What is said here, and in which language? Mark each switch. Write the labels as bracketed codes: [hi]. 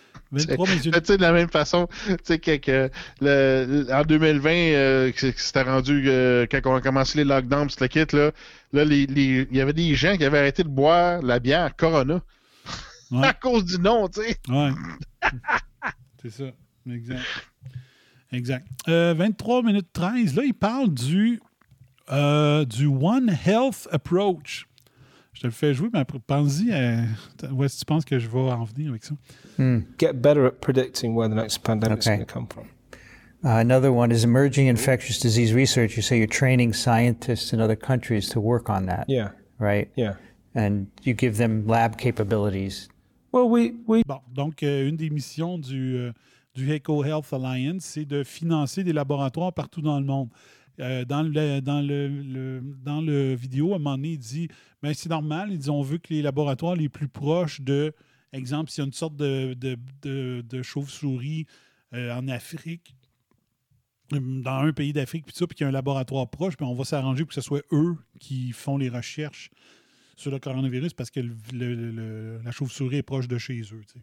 [fr] mesures. Tu sais, de la même façon, tu sais, que en 2020, c'était rendu quand on a commencé les lockdowns, c'était le kit, là, il y avait des gens qui avaient arrêté de boire la bière Corona à cause du nom, tu sais. Ouais. C'est ça. Exact. Exact. 23 minutes 13, là, il parle du One Health Approach. Je te le fais jouer, mais pense-y. Où est-ce que tu penses que je vais en venir avec ça? [en] Get better at predicting where the next pandemic is going to come from. Another one is emerging infectious disease research. You say you're training scientists in other countries to work on that. Yeah. Right? Yeah. And you give them lab capabilities. Well, we... [fr] Bon, donc, une des missions du Echo Health Alliance, c'est de financer des laboratoires partout dans le monde. Dans le vidéo, à un moment donné, il dit, ben c'est normal, ils ont vu que les laboratoires les plus proches de, exemple, s'il y a une sorte de chauve-souris en Afrique, dans un pays d'Afrique, puis ça, puis qu'il y a un laboratoire proche, puis on va s'arranger pour que ce soit eux qui font les recherches sur le coronavirus parce que la chauve-souris est proche de chez eux.